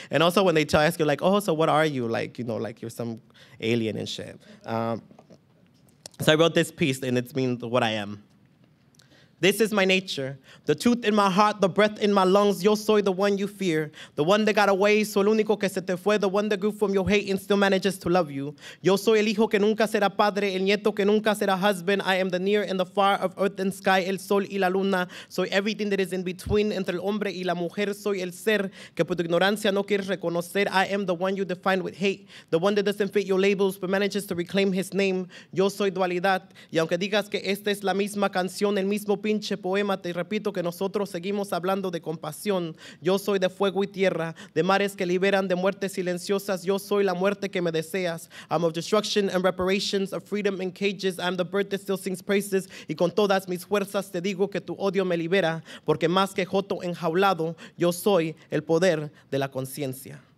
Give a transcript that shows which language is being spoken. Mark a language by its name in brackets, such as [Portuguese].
[English] And also when they tell, ask you, like, oh, so what are you? Like, you know, like, you're some alien and shit. So I wrote this piece, and it's means what I am. This is my nature, the tooth in my heart, the breath in my lungs. [Spanish] Yo soy [English] the one you fear, the one that got away, so [Spanish] el único que se te fue, [English] the one that grew from your hate and still manages to love you. [Spanish] Yo soy el hijo que nunca será padre, el nieto que nunca será husband. [English] I am the near and the far of earth and sky, [Spanish] el sol y la luna. Soy [English] everything that is in between, [Spanish] entre el hombre y la mujer. Soy el ser que por tu ignorancia no quieres reconocer. [English] I am the one you define with hate, the one that doesn't fit your labels but manages to reclaim his name. [Spanish] Yo soy dualidad, y aunque digas que esta es la misma canción, el mismo pinche poema, te repito que nosotros seguimos hablando de compasión. Yo soy de fuego y tierra, de mares que liberan, de muertes silenciosas. Yo soy la muerte que me deseas. [English] I'm of destruction and reparations, of freedom and cages. I'm the bird that still sings praises. [Spanish] Y con todas mis fuerzas te digo que tu odio me libera, porque más que joto enjaulado, yo soy el poder de la conciencia.